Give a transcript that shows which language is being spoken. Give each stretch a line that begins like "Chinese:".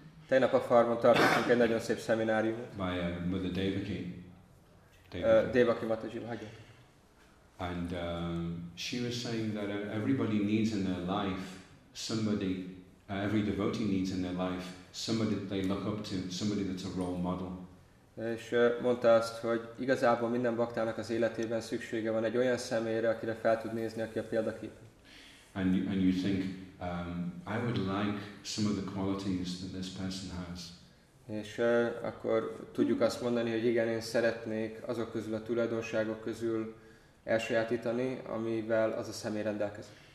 Hungarian: Tegnap a farmon tartottunk egy nagyon szép szemináriumot.
English: By Mother Devaki. Devaki Mataji Mahajan. And she was saying that everybody needs in their life somebody, every devotee needs in their life somebody that they look up to, somebody that's a role model.
Hungarian: És mondta azt, hogy igazából minden baktának az életében szüksége van egy olyan személyre, akire fel tud nézni, aki a példakép.
English: And you think, I would like some of the qualities that this person has.
Hungarian: És akkor tudjuk azt mondani, hogy igen, én szeretnék azok közül a tulajdonságok közül elsajátítani, amivel az a személy rendelkezik.